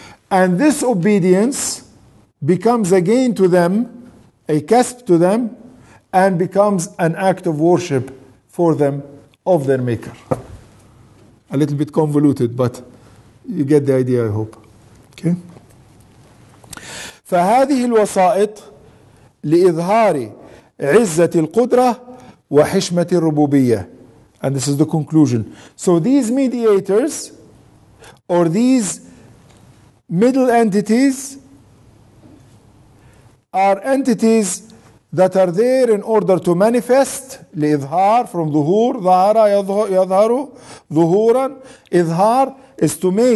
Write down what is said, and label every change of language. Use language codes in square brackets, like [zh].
[en] And this obedience becomes a gain to them, a kasb to them, and becomes an act of worship for them of their Maker. A little bit convoluted, but you get the idea, I hope. Okay. [ar] فهذه الوسائط لإظهار عزة القدرة وحشمة الربوبية. [en] And this is the conclusion. So these mediators, or these middle entities, are entities that are there in order to manifest, لإظهار, from [ar] ظهور, ظهر, يظهر, ظهورا, إظهار [en] is to